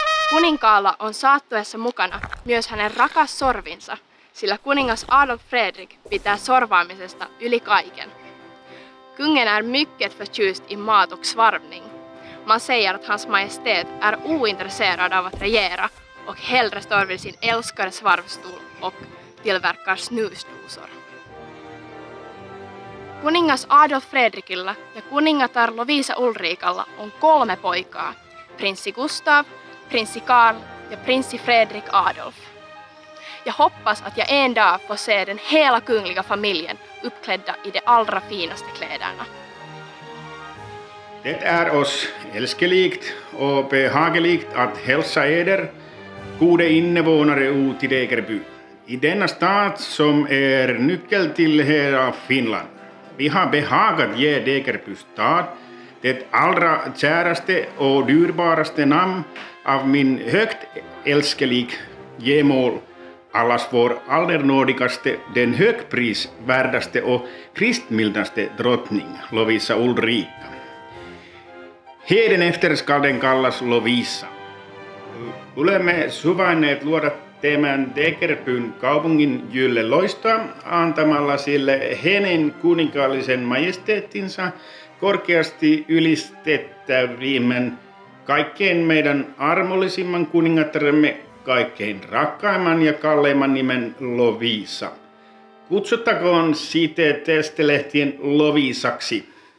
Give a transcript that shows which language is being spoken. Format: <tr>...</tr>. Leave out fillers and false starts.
<fi>Kuninkaalla on saattuessa mukana myös hänen rakas sorvinsa, sillä kuningas Adolf Fredrik pitää sorvaamisesta yli kaiken.</fi> <sv>Kungen är mycket förtjust i mat och svarvning. Man säger att hans majestät är ointresserad av att regera och hellre står vid sin älskade svarvstol och tillverkar snusdosor.</sv> <fi>Kuningas Adolf Fredrikilla ja kuningatar Lovisa Ulrikalla on kolme poikaa, prinssi Gustav, prinssi Karl ja prinssi Fredrik Adolf.</fi> <sv>Ja hoppas att jag en dag får se den hela kungliga familjen uppklädda i de allra finaste kläderna. Det är oss älskeligt och behageligt att hälsa eder, gode innevånare ut i Degerby. I denna stad som är nyckel till hela Finland. Vi har behagat ge Degerby stad det allra käraste och dyrbaraste namn av min högt älskelig gemål, allas vår allernådigaste, den högprisvärdaste och kristmildaste drottning, Lovisa Ulrika. Heden efter skall den kallas Lovisa.</sv> <fi>Olemme suvainneet luoda tämän Degerbyn kaupungin jylle loistoa antamalla sille hänen kuninkaallisen majesteettinsa korkeasti ylistettävimmän kaikkein meidän armollisimman kuningattaremme, kaikkein rakkaimman ja kalleimman nimen Lovisa. Kutsuttakoon siitä testilehtien Lovisaksi.</fi>